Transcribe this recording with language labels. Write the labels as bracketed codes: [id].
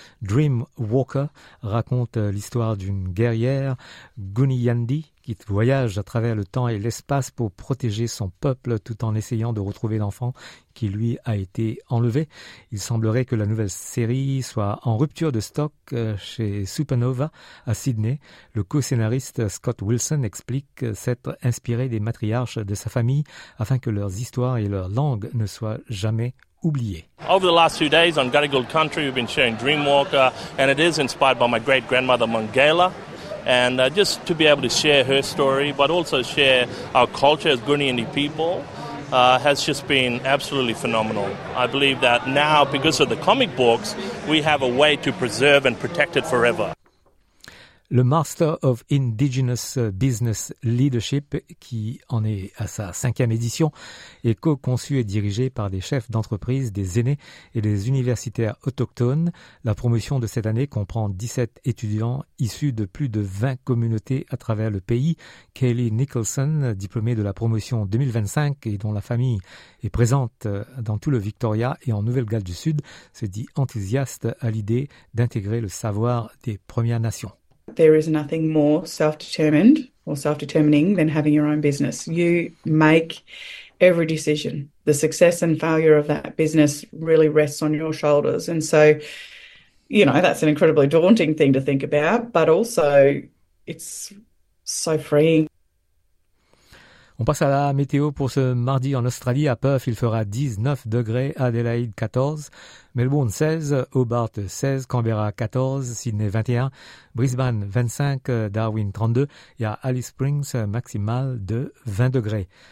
[fr] Dream Walker raconte l'histoire d'une guerrière, Guniyandi, qui voyage à travers le temps et l'espace pour protéger son peuple tout en essayant de retrouver l'enfant qui lui a été enlevé. Il semblerait que la nouvelle série soit en rupture de stock chez Supernova à Sydney. Le co-scénariste Scott Wilson explique s'être inspiré des matriarches de sa famille afin que leurs histoires et leurs langues ne soient jamais oubliées. [en] Over the last few days on Gadigal Country, we've been sharing Dreamwalker and it is inspired by my great-grandmother Mangala. And just to be able to share her story, but also share our culture as Guniyandi people, has just been absolutely phenomenal. I believe that now, because of the comic books, we have a way to preserve and protect it forever. [fr] Le Master of Indigenous Business Leadership, qui en est à sa cinquième édition, est co-conçu et dirigé par des chefs d'entreprise, des aînés et des universitaires autochtones. La promotion de cette année comprend 17 étudiants issus de plus de 20 communautés à travers le pays. Kaylee Nicholson, diplômée de la promotion 2025 et dont la famille est présente dans tout le Victoria et en Nouvelle-Galles du Sud, se dit enthousiaste à l'idée d'intégrer le savoir des Premières Nations. [en] There is nothing more self-determined or self-determining than having your own business. You make every decision. The success and failure of that business really rests on your shoulders. And so, you know, that's an incredibly daunting thing to think about, but also it's so freeing. [fr] On passe à la météo pour ce mardi en Australie. À Perth, il fera 19 degrés, Adelaide 14, Melbourne 16, Hobart 16, Canberra 14, Sydney 21, Brisbane 25, Darwin 32 et à Alice Springs, maximal de 20 degrés.